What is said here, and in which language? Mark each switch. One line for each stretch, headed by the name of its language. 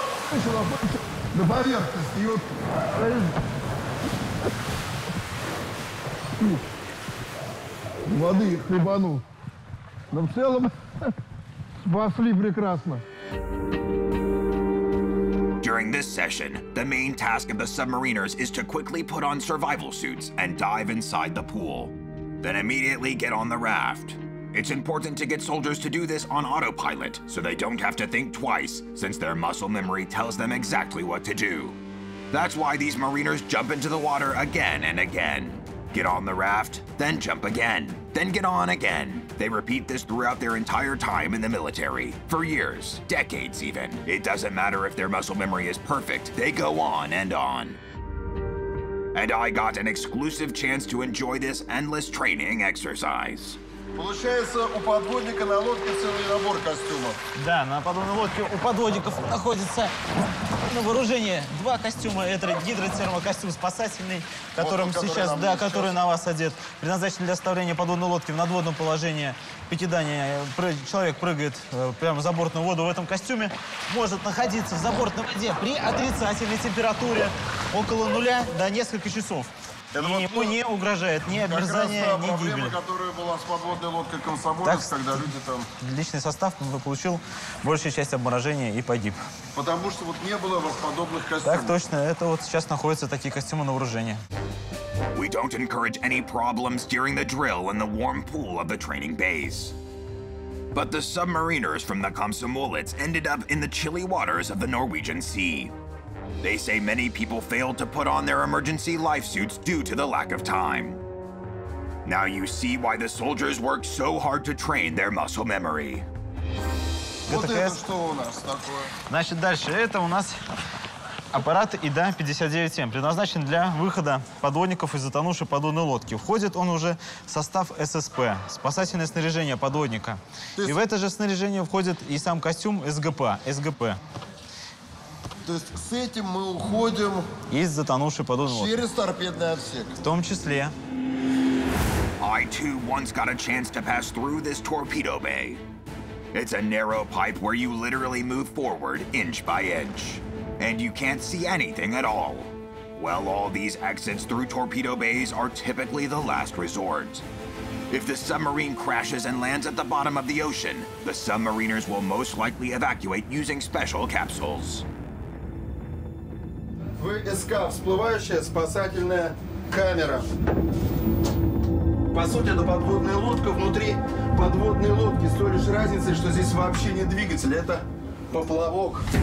Russian: Начала на поверхность. И вот... Воды хлебанул. Но в целом спасли прекрасно.
English: During this session, the main task of the submariners is to quickly put on survival suits and dive inside the pool. Then immediately get on the raft. It's important to get soldiers to do this on autopilot, so they don't have to think twice, since their muscle memory tells them exactly what to do. That's why these mariners jump into the water again and again. Get on the raft, then jump again, then get on again. They repeat this throughout their entire time in the military, for years, decades even. It doesn't matter if their muscle memory is perfect, they go on and on. And I got an exclusive chance to enjoy this endless training exercise.
Russian: Получается, у подводника на лодке целый набор костюмов. Да, на подводной лодке у подводников находится на вооружении два костюма. Это гидротермокостюм спасательный, которым вот он, сейчас, который, да, который сейчас на вас одет, предназначен для оставления подводной лодки в надводном положении. Пикидание. Человек прыгает прямо в забортную воду в этом костюме. Может находиться в забортной воде при отрицательной температуре около нуля до нескольких часов. Это и ему не угрожает ни обмерзание, как раз, да, ни проблема, гибель. Которая была с подводной лодкой «Комсомолец», когда люди там... Личный состав получил большую часть обморожения и погиб. Потому что вот не было подобных костюмов. Так точно. Это вот сейчас находятся такие костюмы на вооружении.
English: We don't encourage any problems during the drill in the warm pool of the training base. But the submariners from the «Комсомолец» ended up in the chilly waters of the Norwegian Sea. They say many people fail to put on their emergency life suits due to the lack of time. Now you see why the soldiers work so hard to train their muscle memory.
Russian: Вот это что у нас такое? Значит, дальше. Это у нас аппарат ИДА-59М, предназначен для выхода подводников из затонувшей подводной лодки. Входит он уже в состав ССП, спасательное снаряжение подводника. И в это же снаряжение входит и сам костюм СГП. То есть с этим мы уходим из затонувшей подводной лодки. Через торпедный отсек. В том числе.
English: I too once got a chance to pass through this torpedo bay. It's a narrow pipe where you literally move forward inch by inch. And you can't see anything at all. Well, all these exits through torpedo bays are typically the last resort. If the submarine crashes and lands at the bottom of the ocean, the submariners will most likely evacuate using special capsules.
Russian: ВСК, всплывающая спасательная камера. По сути, это подводная лодка внутри подводной лодки. С той лишь разницей, что здесь вообще не двигатель, это поплавок.